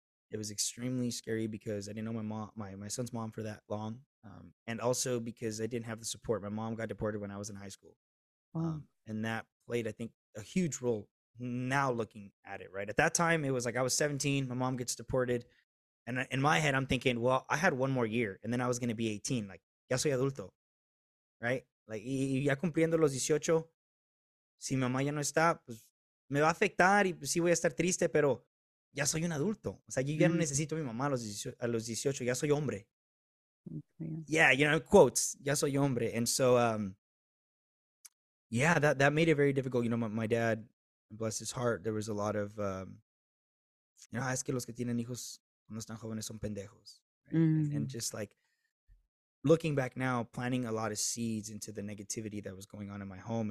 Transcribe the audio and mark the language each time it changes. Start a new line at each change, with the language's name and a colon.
English: It was extremely scary because I didn't know my son's mom for that long, and also because I didn't have the support. My mom got deported when I was in high school. And that played, I think, a huge role now looking at it, right? At that time, it was like I was 17, my mom gets deported. And in my head, I'm thinking, well, I had one more year and then I was going to be 18. Like,
Spanish: ya soy adulto,
English: right? Like,
Spanish: y ya cumpliendo los 18, si mi mamá ya no está, pues me va a afectar y sí voy a estar triste, pero ya soy un adulto. O sea, yo ya no necesito a mi mamá a los 18, ya soy hombre.
English: Yeah, you know, quotes,
Spanish: ya soy hombre.
English: And so, yeah, that made it very difficult. You know, my dad, bless his heart, there was a lot of, you know,
Spanish: es que los que tienen hijos cuando están jóvenes son pendejos.
English: Right? Mm-hmm. And just like looking back now, planting a lot of seeds into the negativity that was going on in my home.